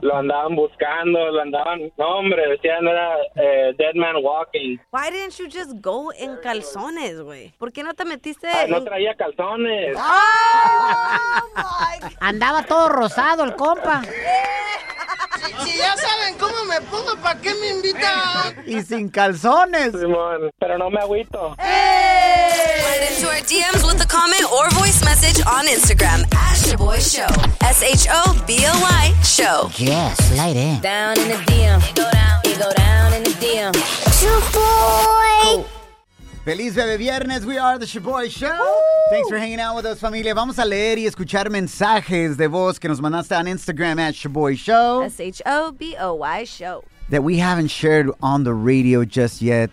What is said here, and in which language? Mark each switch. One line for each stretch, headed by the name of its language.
Spanish: Lo andaban buscando, No, hombre, decían era Dead Man Walking.
English: Why didn't you just go
Spanish: en calzones, güey? ¿Por qué no te metiste? No traía calzones.
English: Oh, my God.
Spanish: Andaba todo rosado el compa. Si ya saben cómo me pongo, ¿para qué me invitan? Y sin calzones. Simón, pero no me agüito.
English: Slide into our DMs with a comment or voice message on Instagram. @ShaboyShow. S-H-O-B-O-Y Show. Yeah, slide in. Down in the DM. You go down in the DM. Shaboy.
Spanish: Feliz Bebe Viernes,
English: we are the Shaboy Show. Woo! Thanks for hanging out with us, familia.
Spanish: Vamos a leer y escuchar mensajes de voz que nos mandaste
English: on Instagram
Spanish: @ShaboyShow.
English: S-H-O-B-O-Y Show. That we haven't shared on the radio just yet.